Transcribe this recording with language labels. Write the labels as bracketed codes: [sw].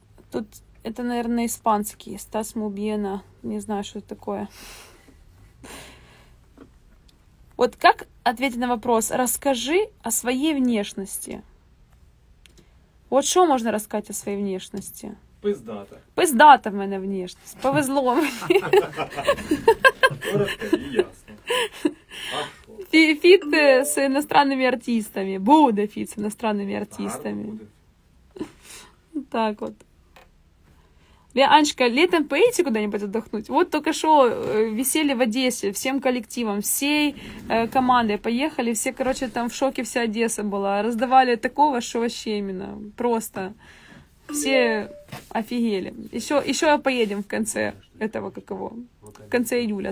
[ru] Тут это, наверное, испанский. Стас Мубьена. Не знаю, что это такое. Вот как ответить на вопрос? Расскажи о своей внешности. Вот что можно рассказать о своей внешности? Пиздата. [uk] Пиздата в мене внешність. Повезло мені. Коротко і ясно. Фіт з іноземними артистами. Буде фіт з іноземними артистами. Так от. [ru] Анечка, летом поедете куда-нибудь отдохнуть? Вот только что висели в Одессе всем коллективом, всей командой поехали. Все, короче, там в шоке вся Одесса была. Раздавали такого, что вообще именно. Просто... Все офигели. Еще поедем в конце этого, как его, в конце июля.